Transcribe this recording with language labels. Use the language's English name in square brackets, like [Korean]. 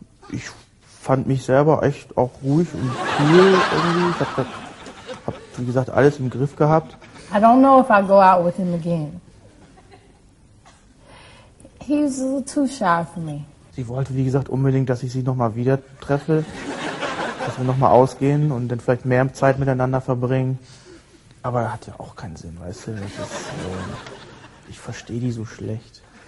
[German] Ich fand mich selber echt auch ruhig und cool irgendwie. Ich hab, wie gesagt, alles im Griff gehabt. [English] I don't know if I'll go out with him again. He's a little too shy for me. [German] Sie wollte, wie gesagt, unbedingt, dass ich sie nochmal wieder treffe. Dass wir nochmal ausgehen und dann vielleicht mehr Zeit miteinander verbringen. Aber hat ja auch keinen Sinn, weißt du? Ich verstehe die so schlecht.